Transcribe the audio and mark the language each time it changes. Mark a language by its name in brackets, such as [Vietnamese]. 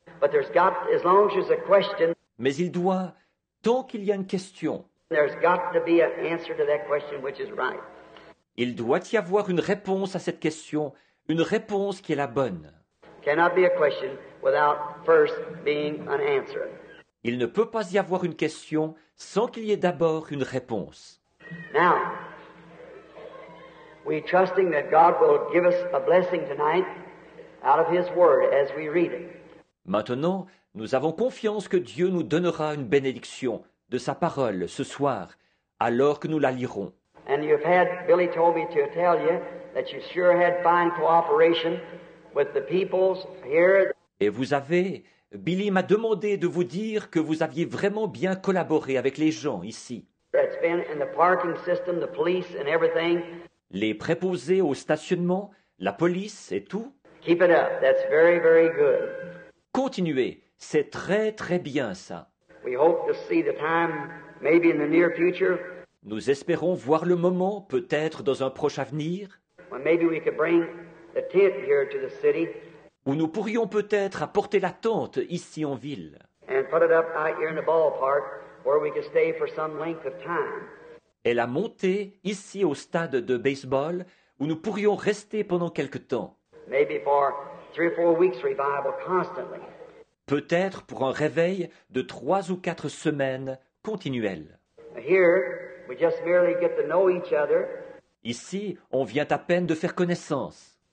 [English] But there's got, as long as there's a question, [French] mais il doit, tant qu'il y a une question, [English] there's got to be an answer to that question which is right. [French] Il doit y avoir une réponse à cette question, une réponse qui est la bonne. [English] Cannot be a question without first being an answer. [French] Il ne peut pas y avoir une question sans qu'il y ait d'abord une réponse. [English] Now, we trusting that God will give us a blessing tonight out of his word as we read it. [French] Maintenant, nous avons confiance que Dieu nous donnera une bénédiction de sa parole ce soir alors que nous la lirons. [English] And you've had Billy told me to tell you that you sure had fine cooperation with the peoples here. [French] Et vous avez Billy m'a demandé de vous dire que vous aviez vraiment bien collaboré avec les gens ici. [English] It's been in the parking system, the police and everything. [French] Les préposés au stationnement, la police et tout. [English] Keep it up. That's very, very good. [French] Continuez. C'est très, très bien ça. [English] We hope to see the time, maybe in the near future. [French] Nous espérons voir le moment, peut-être dans un proche avenir. [English] Well, maybe we could bring the tent here to the city. [French] Où nous pourrions peut-être apporter la tente ici en ville. [English] And put it up out here in the ballpark where we could stay for some length of time. [French] Et la monter ici au stade de baseball où nous pourrions rester pendant quelque temps. [English] Maybe for 3 or 4 weeks revival constantly. [French] Peut-être pour un réveil de 3 ou 4 semaines continuelles. [English] Here, we just merely get to know each other. [French] Ici, on vient à peine de faire connaissance.